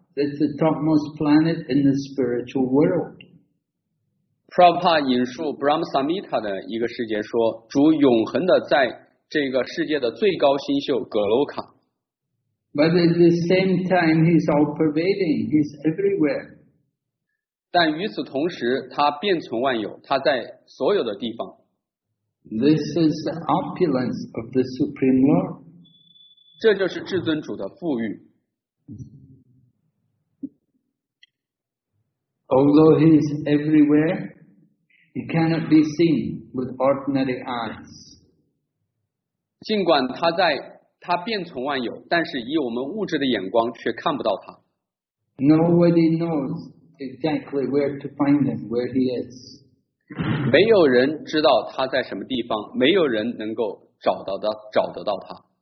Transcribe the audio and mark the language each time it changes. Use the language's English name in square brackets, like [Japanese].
[English] It's the topmost planet in the spiritual world. [Chinese] Prabhupada 引述 Brahma Samhita 的一个世界说，主永恒的在这个世界的最高星宿格罗卡。 [English] But at the same time, he's all pervading. He's everywhere. [Chinese] 但与此同时，他遍存万有，他在所有的地方。 [English] This is the opulence of the Supreme Lord. [Chinese] 这就是至尊主的富裕。 [English] Although he is everywhere, he cannot be seen with ordinary eyes. [Chinese] 尽管他遍存万有，但是以我们物质的眼光却看不到他。 [English] Nobody knows exactly where to find him, where he is. [Chinese] 没有人知道他在什么地方，没有人能够找得到他。